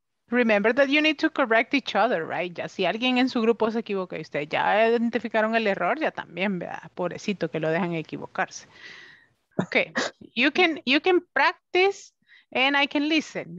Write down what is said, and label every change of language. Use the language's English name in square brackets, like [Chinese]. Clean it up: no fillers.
[English] Remember that you need to correct each other, right? [Spanish] Ya si alguien en su grupo se equivoca y ustedes ya identificaron el error, ya también, ¿verdad? Pobrecito que lo dejan equivocarse. [English] Okay, you can practice and I can listen.